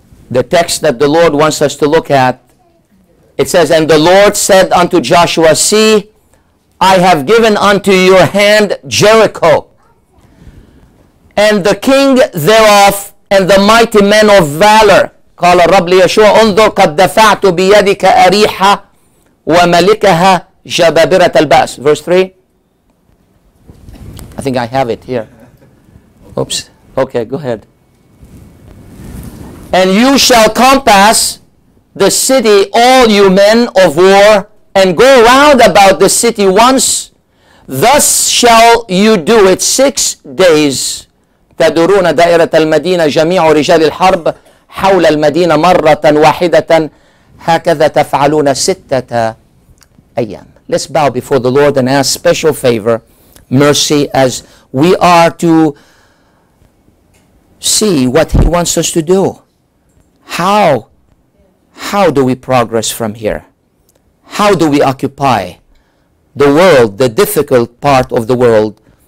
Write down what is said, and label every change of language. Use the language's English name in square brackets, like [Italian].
[English] The text that the Lord wants us to look at, it says, and the Lord said unto Joshua, see, I have given unto your hand Jericho, and the king thereof, and the mighty men of valor. [Arabic] قال الرب ليشوع انظر قد دفعت بيدك أريحة وملكها جبابرة الباس. [English] Verse 3. I think I have it here. Oops. Okay, go ahead. And you shall compass the city, all you men of war, and go round about the city once. Thus shall you do it 6 days. [Arabic] تدورون دائرة المدينة جميع رجال الحرب حول المدينة مرة واحدة هكذا تفعلون ستة أيام. [English] Let's bow before the Lord and ask special favor, mercy, as we are to see what He wants us to do. How do we progress from here? How do we occupy the world, the difficult part of the world?